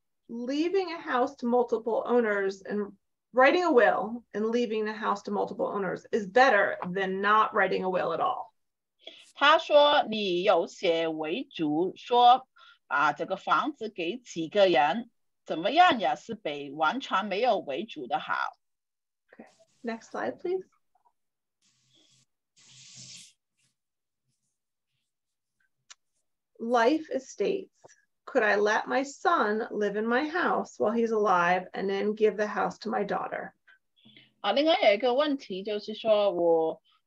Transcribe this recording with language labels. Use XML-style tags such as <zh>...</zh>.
<en>leaving a house to multiple owners and writing a will and leaving the house to multiple owners is better than not writing a will at all.</en> <zh>他说你有写遗嘱，说把这个房子给几个人。怎么样也是比完全没有为主的好。Okay.</zh> <en>Next slide, please. Life estates. Could I let my son live in my house while he's alive and then give the house to my daughter?</en> <zh>另外有一个问题就是说我</zh>